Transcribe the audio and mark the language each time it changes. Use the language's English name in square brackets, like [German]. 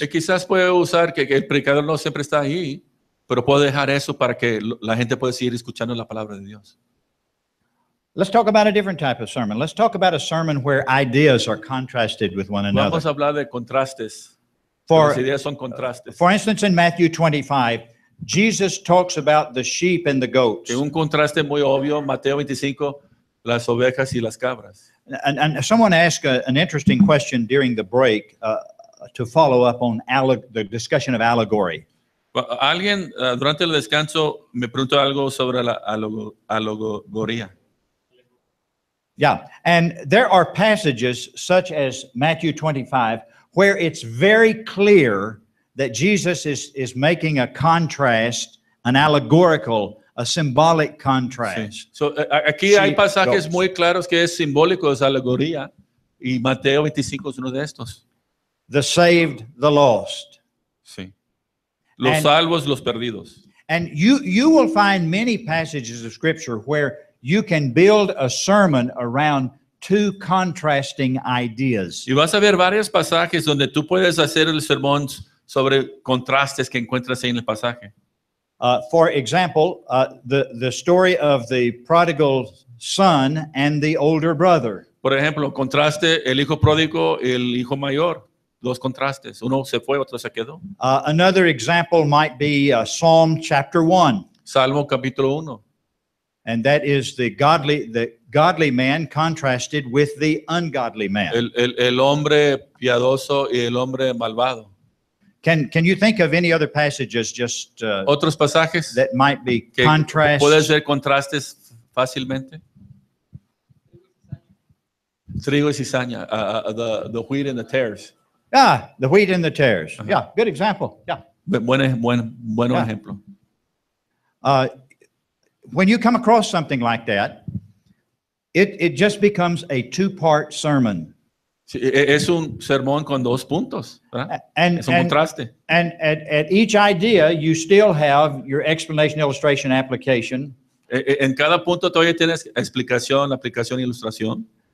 [Spanish] Y quizás puede usar que el predicador no siempre está ahí, pero puede dejar eso para que la gente pueda seguir escuchando la palabra de Dios. [English] Let's talk about a different type of sermon. Let's talk about a sermon where ideas are contrasted with one another. [Spanish] Vamos a hablar de contrastes. For, las ideas son contrastes. [English] For instance, in Matthew 25, Jesus talks about the sheep and the goats. [Spanish] En un contraste muy obvio, Mateo 25, las ovejas y las cabras. [English] And someone asked an interesting question during the break to follow up on the discussion of allegory. [Spanish] Alguien durante el descanso me preguntó algo sobre la alegoría. [English] Yeah, and there are passages such as Matthew 25 where it's very clear that Jesus is making a contrast, an allegorical, a symbolic contrast. [Spanish] Sí. So aquí sheep, hay pasajes goats. Muy claros que es simbólico, es alegoría, y Mateo 25 es uno de estos. [English] The saved, the lost. [Spanish] Sí. Los salvos, los perdidos. [English] And you will find many passages of Scripture where you can build a sermon around two contrasting ideas. [Spanish] Y vas a ver varios pasajes donde tú puedes hacer el sermón sobre contrastes que encuentras ahí en el pasaje. [English] For example, the story of the prodigal son and the older brother. [Spanish] Por ejemplo, contraste el hijo pródigo y el hijo mayor. Dos contrastes. Uno se fue, otro se quedó. [English] Another example might be Psalm chapter 1. [Spanish] Salmo capítulo 1. [English] And that is the godly man contrasted with the ungodly man. [Spanish] El hombre piadoso y el hombre malvado. [English] Can you think of any other passages just [Spanish] otros pasajes [English] that might be [Spanish] que [English] contrast? [Spanish] Puede ser contrastes fácilmente. Trigo y cizaña, [English] the wheat and the tares. Ah, the wheat and the tares. Uh-huh. Yeah, good example. Yeah. [Spanish] Buen yeah. Ejemplo. [English] When you come across something like that, it just becomes a two-part sermon. [Spanish] Sí, es un sermón con dos puntos, ¿verdad? Contraste. [English] And at each idea, you still have your explanation, illustration, application. [Spanish] En cada punto todavía tienes explicación, aplicación, ilustración.